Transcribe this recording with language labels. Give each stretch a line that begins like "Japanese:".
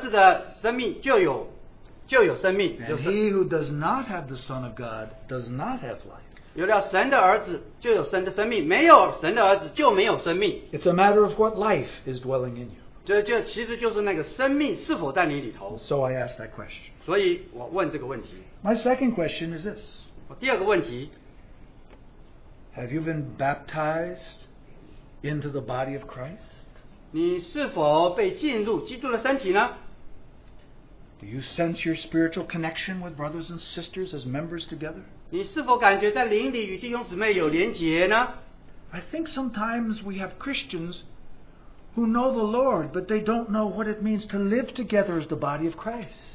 Chinese: 有神儿子的生命就有生命。
English: And he who does not have the Son of God does not have life.
Chinese: 有了神的儿子就有神的生命, 没有神的儿子就没有生命。
English: It's a matter of what life is dwelling in you.
Chinese: 这其实就是那个生命是否在你里头。
English: So I ask that question.
Chinese: 所以我问这个问题。
English: My second question is this.
Chinese: 我第二个问题,
English: Have you been baptized into the body of Christ?
Chinese: 你是否被浸入基督的身体呢?
English: Do you sense your spiritual connection with brothers and sisters as members together?
Chinese: 你是否感觉在灵里与弟兄姊妹有连结呢?
English: I think sometimes we have Christians who know the Lord, but they don't know what it means to live together as the body of Christ.